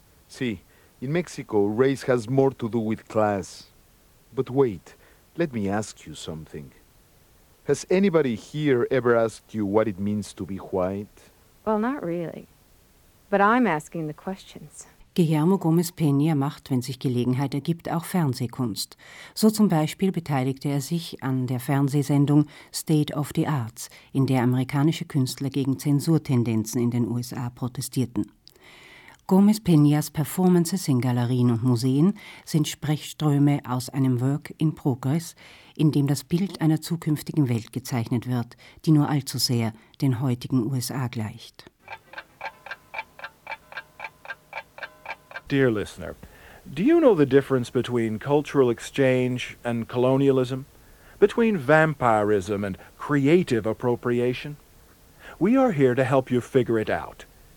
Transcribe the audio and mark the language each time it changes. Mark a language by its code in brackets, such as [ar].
[en] See, in Mexico, race has more to do with class. But wait, let me ask you something. Has anybody here ever asked you what it means to be white? Well, not really. But I'm asking the questions. [de] Guillermo Gómez Peña macht, wenn sich Gelegenheit ergibt, auch Fernsehkunst. So zum Beispiel beteiligte er sich an der Fernsehsendung State of the Arts, in der amerikanische Künstler gegen Zensurtendenzen in den USA protestierten. Gómez Peñas Performances in Galerien und Museen sind Sprechströme aus einem Work in Progress, in dem das Bild einer zukünftigen Welt gezeichnet wird, die nur allzu sehr den heutigen USA gleicht. [en] Dear listener, do you know the difference between cultural exchange and colonialism? Between vampirism and creative appropriation? We are here to help you figure it out.